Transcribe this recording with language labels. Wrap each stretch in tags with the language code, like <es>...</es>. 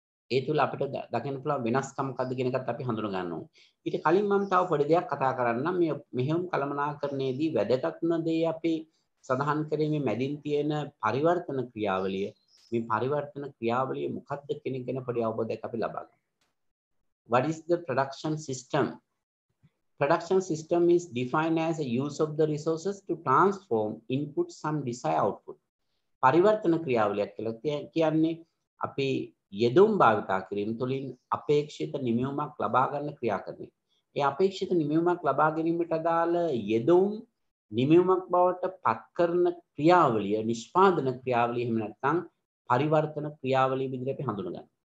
<si>ඒ තුළ අපිට දකින්න පුළුවන් වෙනස්කම් මොකක්ද කියන එකත් අපි හඳුනා ගන්න ඕනේ. ඊට කලින් මම තව පොඩි දෙයක් කතා කරන්නම්. මේ මෙහෙම කළමනාකරණයේදී වැදගත්ම දේ අපි සඳහන් කරේ මේ මැදින් තියෙන පරිවර්තන ක්‍රියාවලිය. මේ පරිවර්තන ක්‍රියාවලිය මොකක්ද කියන එක ගැන පොඩි අවබෝධයක් අපි ලබා ගන්න.</si> <en>What is the production system? Production system is defined as a use of the resources to transform input some desired output.</en> <si>පරිවර්තන ක්‍රියාවලියක් කියලා කියන්නේ අපි යෙදුම් භාවිතා කිරීම තුළින් අපේක්ෂිත නිමවුමක් ලබා ගන්න ක්‍රියාකරණය. ඒ අපේක්ෂිත නිමවුමක් ලබා ගැනීමට අදාළ යෙදුම් නිමවුමක් බවට පත් කරන ක්‍රියාවලිය නිෂ්පාදන ක්‍රියාවලිය එහෙම නැත්නම් පරිවර්තන ක්‍රියාවලිය විදිහට අපි හඳුනගන්න.</si>